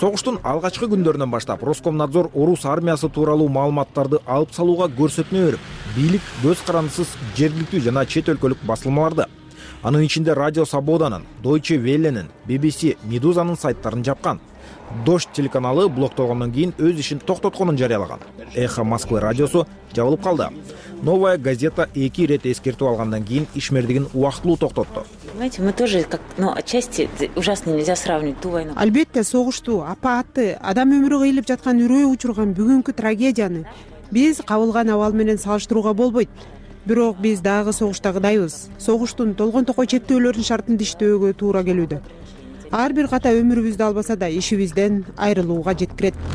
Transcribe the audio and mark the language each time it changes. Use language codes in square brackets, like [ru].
[ky] Согуштун алгачкы күндөрүнөн баштап Роскомнадзор орус армиясы тууралуу маалыматтарды алып салууга көрсөтмө берип, бийлик көз карандысыз жергиликтүү жана чет өлкөлүк басылмаларды, анын ичинде Радио Свободанын, Deutsche Welle'нин, BBC, Медузанын сайттарын жапкан. Дождь телеканалы блоктолгондон кийин өз ишин токтотконун жарыялаган. Эхо Москвы радиосу жабылып калды. Новая газета 2 рет эскертүү алгандан кийин ишмердигин убактылуу токтотту. [ru] Знаете, мы тоже как, ну, отчасти ужасно нельзя сравнивать ту войну. [ky] Албетте, согушту, апаатты, адам өмүрү кыйылып жаткан үрөйү учурган бүгүнкү трагедияны биз кабылган абал менен салыштырууга болбойт. Бирок биз дагы согуштагыдайбыз. Согуштун толгон-токой чектөөлөрүн шартын иштөөгө туура келүүдө. Ар бир ката өмүрүбүздү албаса да ишибизден айрылууга жеткирет.